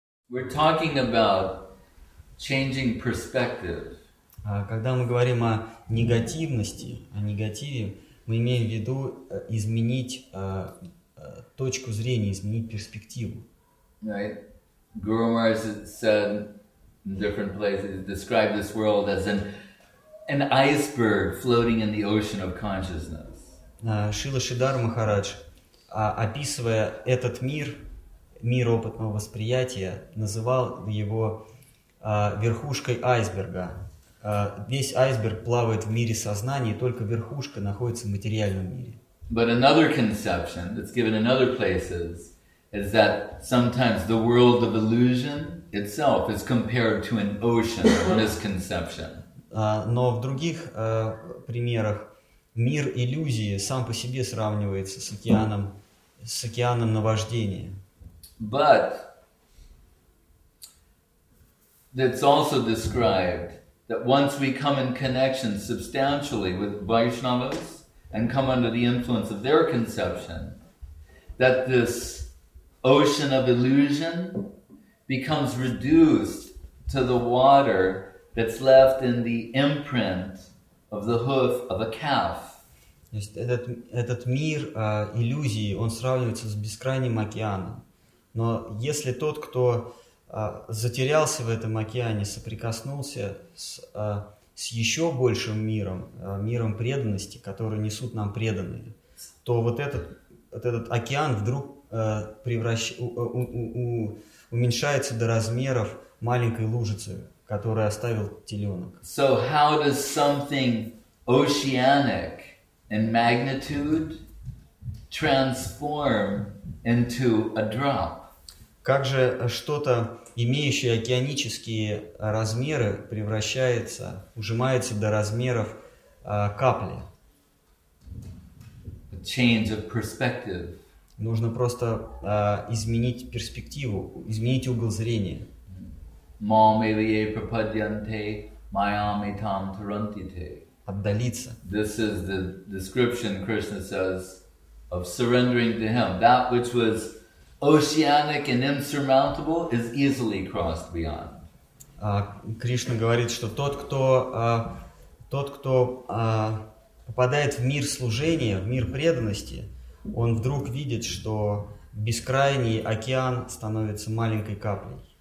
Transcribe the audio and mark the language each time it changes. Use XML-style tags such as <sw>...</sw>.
<en>We're talking about changing perspective.</en> <ru>Когда мы говорим о негативности, о негативе, мы имеем в виду изменить точку зрения, изменить перспективу.</ru> <en>Right. Guru Maharaj said in different places, described this world as an iceberg floating in the ocean of consciousness.</en> <ru>Шрила Шридхара Махарадж, описывая этот мир, мир опытного восприятия, называл его верхушкой айсберга. Весь айсберг плавает в мире сознания, и только верхушка находится в материальном мире.</ru> <en>But another conception that's given in other places is that sometimes the world of illusion itself is compared to an ocean, a misconception.</en> <ru>Но в других примерах мир иллюзии сам по себе сравнивается с океаном наваждения.</ru> <en>But it's also described that once we come in connection substantially with Vaishnavas and come under the influence of their conception, that this ocean of illusion becomes reduced to the water that's left in the imprint of the hoof of a calf.</en> <ru>То есть этот мир иллюзии, он сравнивается с бескрайним океаном. Но если тот, кто затерялся в этом океане, соприкоснулся с еще большим миром, миром преданности, который несут нам преданные, то вот этот океан вдруг уменьшается до размеров маленькой лужицы, которую оставил теленок.</ru> <en>So how does something oceanic in magnitude transform into a drop?</en> <ru>Как же что-то, имеющее океанические размеры, превращается, ужимается до размеров капли?</ru> <en>A change of perspective.</en> <ru>Нужно просто изменить перспективу, изменить угол зрения.</ru> <sa>Maam eviye prapadyante, mayam etam tarantite.</sa> <ru>Отдалиться.</ru> <en>This is the description Krishna says of surrendering to him. That which was oceanic and insurmountable is easily crossed beyond.</en> <ru>Кришна говорит, что тот, кто попадает в мир служения, в мир преданности, он вдруг видит, что бескрайний океан становится маленькой каплей.</ru>